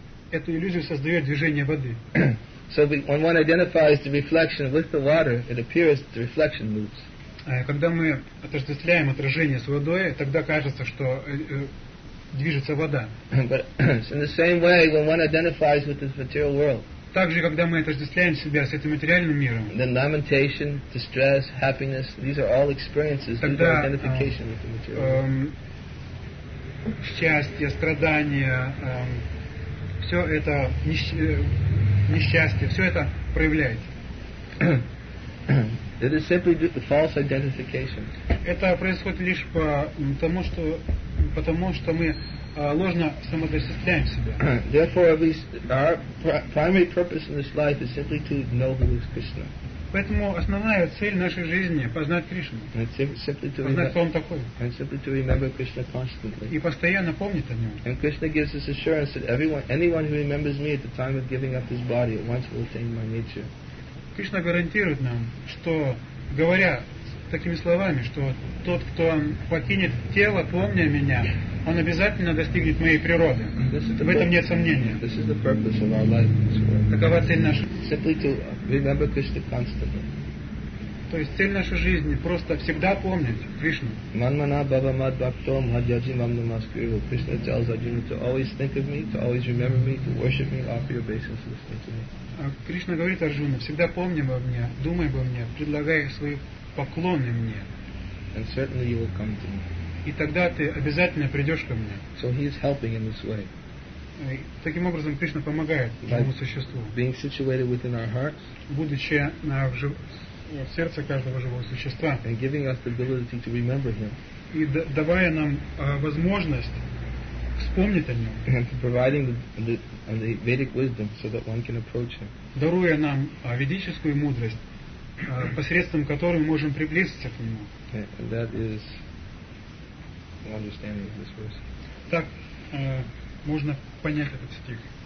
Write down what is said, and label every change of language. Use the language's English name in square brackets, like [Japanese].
[Russian] Эту иллюзию создает движение воды. [English] So when one identifies the reflection with the water, it appears that the reflection moves. [Russian] Когда мы отождествляем отражение с водой, тогда кажется, что движется вода. [English] But in the same way, when one identifies with this material world, [Russian] также когда мы отождествляем себя с этим материальным миром, [English] then lamentation, distress, happiness, these are all experiences, [Russian] тогда, [English] these are identification with the material world. [Russian] Счастье, страдания, все это несчастье, все это проявляется. [English] It is simply due to false identification. [Russian] Это происходит лишь по тому, что мы ложно самоотождествляем себя. [English] Therefore, our primary purpose in this life is simply to know who is Krishna. [Russian] Поэтому основная цель нашей жизни — познать Кришну. Познать, кто Он такой. [English] And simply to remember Krishna constantly. [Russian] И постоянно помнить о Нем. [English] And Krishna gives us assurance that anyone who remembers me at the time of giving up his body at once will attain my nature. [Russian] Кришна гарантирует нам, что, говоря такими словами, что тот, кто покинет тело, помня меня, он обязательно достигнет моей природы. В этом нет сомнения. [English] This is the purpose of our life. [Russian] Какова цель наша? [English] Simply to remember Krishna constantly. [Russian] То есть цель нашей жизни — просто всегда помнить Кришну. [Sanskrit] Манмана баба мад бхакто мадьяджи мам намаскриву. [English] Krishna tells Arjuna to always think of me, to always remember me, to worship me, offer your obeisances to me. [Russian] Кришна говорит Арджуне: всегда помни обо мне, думай обо мне, предлагай свои поклоны мне. [English] And certainly you will come to me. [Russian] И тогда ты обязательно придешь ко мне. [English] So he is helping in this way. [Russian] Таким образом Кришна помогает живому существу. [English] Being situated within our hearts. [Russian] Будучи в сердце каждого живого существа. [English] And giving us the ability to remember him. [Russian] И давая нам возможность вспомнить о нем. [English] And providing the Vedic wisdom so that one can approach him. [Russian] Даруя нам ведическую мудрость, посредством которой мы можем приблизиться к нему. [English] And that is the understanding of this verse. [Russian] Так можно понять этот стих.